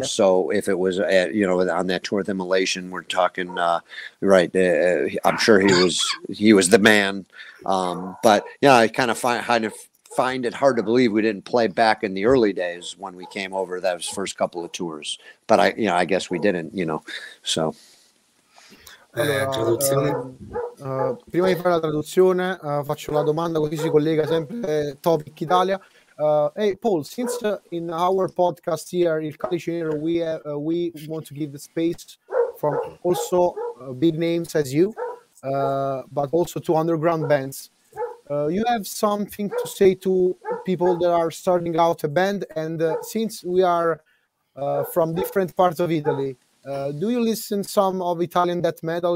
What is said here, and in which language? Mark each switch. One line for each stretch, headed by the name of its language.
English: Yeah. So if it was at, you know, on that tour with Immolation, we're talking I'm sure he was the man. But yeah, I kind of find it hard to believe we didn't play back in the early days when we came over those first couple of tours, but I, you know, I guess we didn't, you know. So
Italian: prima di fare la traduzione, faccio la domanda, così si collega sempre Topic Italia.
English: Hey Paul, since in our podcast here Il Calice Nero, we want to give the space from also big names as you, but also to underground bands. You have something to say to people that are starting out a band, and since we are from different parts of Italy, do you listen some of Italian death metal?